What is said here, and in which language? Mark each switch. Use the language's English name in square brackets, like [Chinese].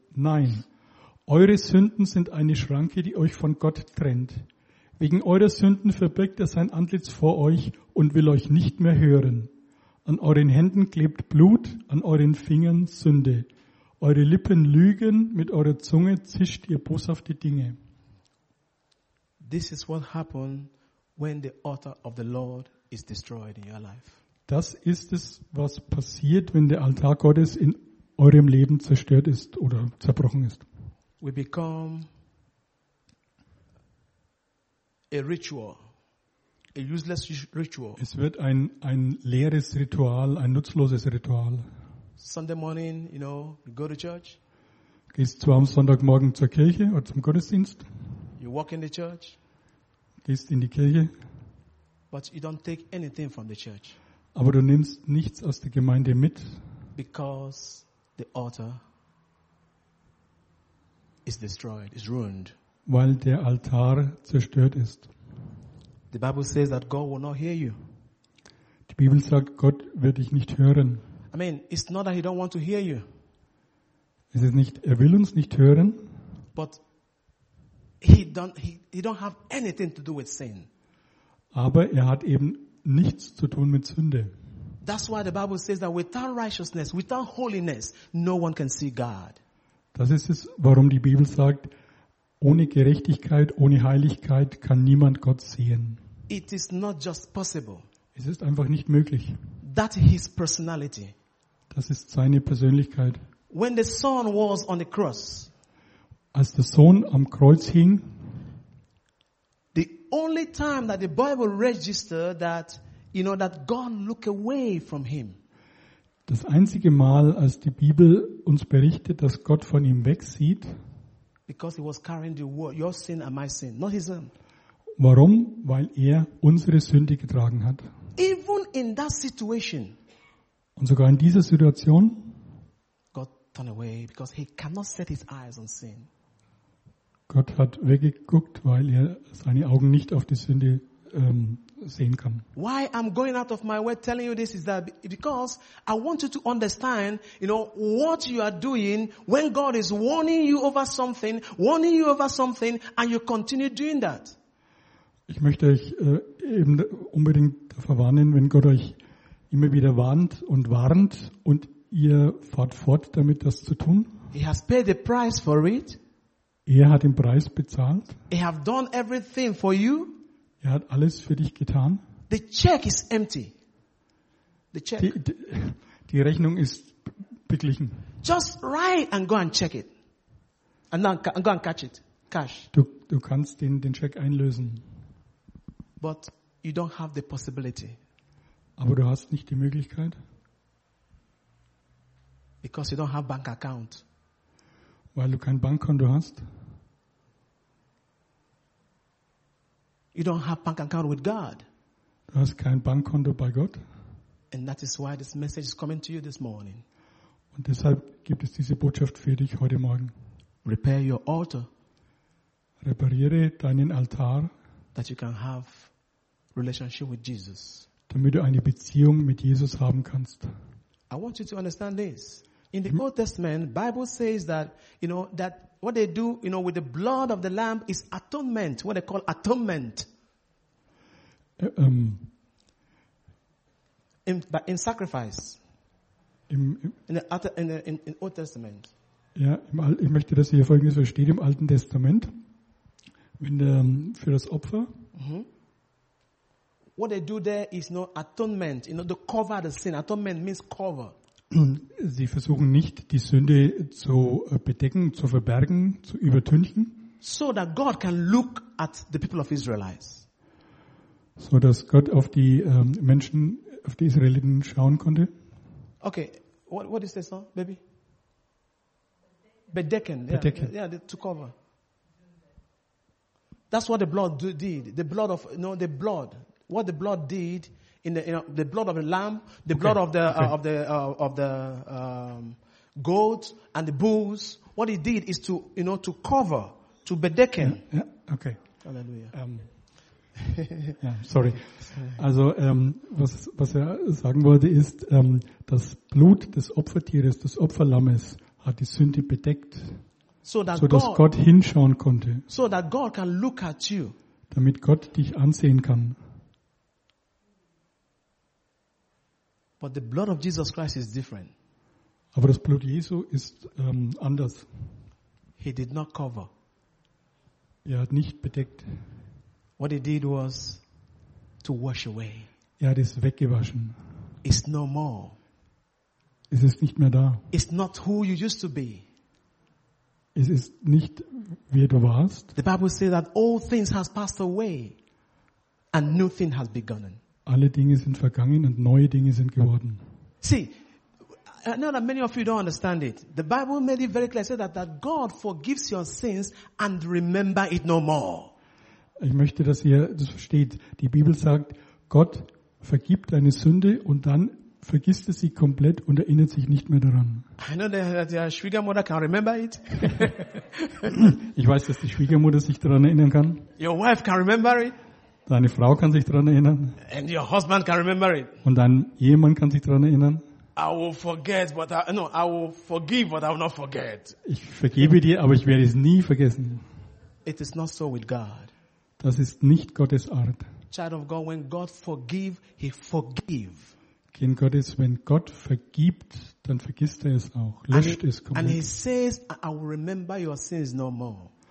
[German] Nein, eure Sünden sind eine Schranke, die euch von Gott trennt. Wegen eurer Sünden verbirgt er sein Antlitz vor euch und will euch nicht mehr hören. An euren Händen klebt Blut, an euren Fingern Sünde. Eure Lippen lügen, mit eurer Zunge zischt ihr boshafte Dinge. [English] This is what happens when the altar of the Lord is destroyed in your life. [German] Das ist es, was passiert, wenn der Altar Gottes in eurem Leben zerstört ist oder zerbrochen ist. [English] We become a ritual, a useless ritual. [German] Es wird ein leeres Ritual, ein nutzloses Ritual. [English] Sunday morning, you know, you go to church. [German] Gehst du am Sonntagmorgen zur Kirche oder zum Gottesdienst? [English] You walk in the church. [German] Gehst in die Kirche. [English] But you don't take anything from the church. [German] Aber du nimmst nichts aus der Gemeinde mit. [English] Because the altar is destroyed, is ruined. [German] Weil der Altar zerstört ist. [English] The Bible says that God will not hear you. [German] Die Bibel sagt, Gott wird dich nicht hören. [English] I mean, it's not that he don't want to hear you. [German] Es ist nicht, er will uns nicht hören. [English] But he don't have anything to do with sin. [German] Aber er hat eben nichts zu tun mit Sünde. [English] That's why the Bible says that without righteousness, without holiness, no one can see God. [German] Das ist es, warum die Bibel sagt, ohne Gerechtigkeit, ohne Heiligkeit kann niemand Gott sehen. [English] It is not just possible. [German] Es ist einfach nicht möglich. [English] That his personality. [German] Das ist seine Persönlichkeit. [English] When the Son was on the cross. [German] Als der Sohn am Kreuz hing. [English] The only time that the Bible registered that, you know, that God looked away from him. [German] Das einzige Mal, als die Bibel uns berichtet, dass Gott von ihm wegsieht, [English] because he was carrying the world, your sin and my sin, not his own. [German] Warum? Weil er unsere Sünde getragen hat. [English] Even in that situation, [German] und sogar in dieser Situation, [English] God turned away because he cannot set his eyes on sin. [German] Gott hat weggeguckt, weil er seine Augen nicht auf die Sünde sehen kann. [English] Why I'm going out of my way telling you this is that because I want you to understand, you know, what you are doing when God is warning you over something, and you continue doing that. [German] Ich möchte euch eben unbedingt davor warnen, wenn Gott euch immer wieder warnt und warnt und ihr fahrt fort damit, das zu tun. [English] He has paid the price for it. [German] Er hat den Preis bezahlt. [English] He have done everything for you. [German] Er hat alles für dich getan. [English] The check is empty. The check. [German] Die Rechnung ist beglichen. [English] Just write and go and check it. And then and go and catch it. Cash. [German] Du kannst den Check einlösen. [English] But you don't have the possibility. [German] Aber du hast nicht die Möglichkeit. [English] Because you don't have bank account. [German] Weil du kein Bankkonto hast. [English] You don't have bank account with God. [German] Du hast kein Bankkonto bei Gott. [English] And that is why this message is coming to you this morning. [German] Und deshalb gibt es diese Botschaft für dich heute Morgen. [English] Repair your altar. [German] Repariere deinen Altar. [English] That you can have relationship with Jesus. [German] Damit du eine Beziehung mit Jesus haben kannst. [English] I want you to understand this. In the Old Testament, the Bible says that, you know, that what they do, you know, with the blood of the lamb is atonement, what they call atonement. In sacrifice. In Old Testament. [German] Ja, ich möchte, dass ihr Folgendes versteht: Im Alten Testament, wenn der, für das Opfer. [English] Mm-hmm. What they do there is no atonement. You know, to cover the sin. Atonement means cover. [German] Sie versuchen nicht, die Sünde zu bedecken, zu verbergen, zu übertünchen. [English] So that God can look at the people of Israelites. [German] So dass Gott auf die Menschen, auf die Israeliten schauen konnte. [English] Okay, what is this, baby? Bedecken. [German] Bedecken. [English] Yeah, to cover. That's what the blood did. The blood of, you know, the blood. What the blood did. In the, you know, the blood of the lamb, the okay. blood of the okay. Goat and the bulls. What he did is to, you know, to cover, to bedecken. Yeah. Yeah. Okay. Hallelujah. Sorry. [German] Also was er sagen wollte ist, das Blut des Opfertieres, des Opferlammes, hat die Sünde bedeckt, so dass Gott hinschauen konnte. [English] So that God can look at you. [German] Damit Gott dich ansehen kann. [English] But the blood of Jesus Christ is different. [German] Aber das Blut Jesu ist anders. [English] He did not cover. [German] Er hat nicht bedeckt. [English] What he did was to wash away. [German] Er hat es weggewaschen. [English] It's no more. [German] Es ist nicht mehr da. [English] It's not who you used to be. [German] Es ist nicht wer du warst. [English] The Bible says that all things has passed away and new thing has begun. [German] Alle Dinge sind vergangen und neue Dinge sind geworden. [English] See, I know that many of you don't understand it. The Bible made it very clear, said that God forgives your sins and remember it no more. [German] Ich möchte, dass ihr das versteht. Die Bibel sagt, Gott vergibt deine Sünde und dann vergisst es sie komplett und erinnert sich nicht mehr daran. [English] I know that your Schwiegermutter can remember it. [German] Ich weiß, dass die Schwiegermutter sich daran erinnern kann. [English] Your wife can remember it. [German] Deine Frau kann sich daran erinnern. [English] And your husband can remember it. [German] Und dein Ehemann kann sich daran erinnern. [English] I will forgive, but I will not forget. [German] Ich vergebe dir, aber ich werde es nie vergessen. [English] It is not so with God. [German] Das ist nicht Gottes Art. [English] Child of God, when God forgive, he forgive. [German] Kind Gottes, wenn Gott vergibt, dann vergisst er es auch, löscht es komplett. [English] And he says, I will remember your sins no more.